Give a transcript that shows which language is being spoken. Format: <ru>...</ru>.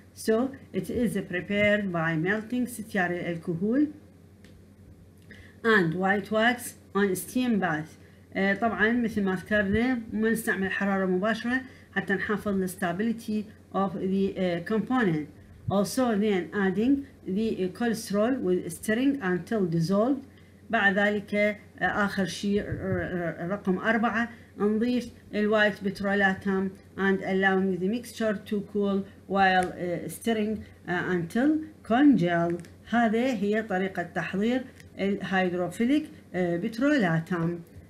<en>So it is prepared by melting stearyl الكهول and white wax on steam bath.</en> <ar>طبعا مثل ما ذكرنا ما نستعمل حرارة مباشرة حتى نحافظ على stability of the component.</ar> <en>Also then adding the cholesterol with stirring until dissolved. بعد ذلك آخر شيء رقم أربعة نضيف الوايت petrolatum and allowing the mixture to cool while stirring until congeal.</en> <ar>هذه هي طريقة تحضير الهيدروفيليك بترولاتم.</ar>